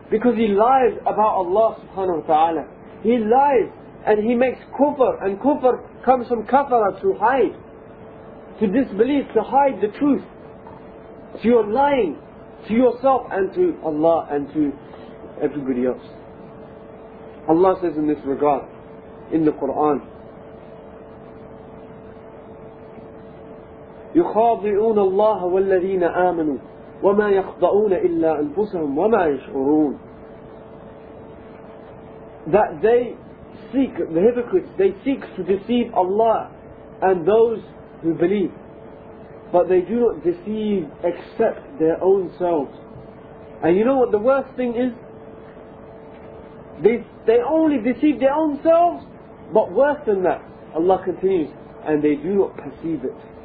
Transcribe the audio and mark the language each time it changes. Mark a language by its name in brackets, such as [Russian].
[English] Because he lies about Allah subhanahu wa ta'ala. He lies and he makes kufr, and kufr comes from kafara, to hide, to disbelieve, to hide the truth. So you're lying to yourself and to Allah and to everybody else. Allah says in this regard in the Quran, [Arabic] يُخَاضِعُونَ اللَّهَ وَالَّذِينَ آمَنُوا وَمَا يَخْضَعُونَ إِلَّا أَنفُسَهُمْ وَمَا يَشْعُرُونَ. [English] That they seek, the hypocrites, they seek to deceive Allah and those who believe, but they do not deceive except their own selves. And you know what the worst thing is? They only deceive their own selves, but worse than that, Allah continues, and they do not perceive it.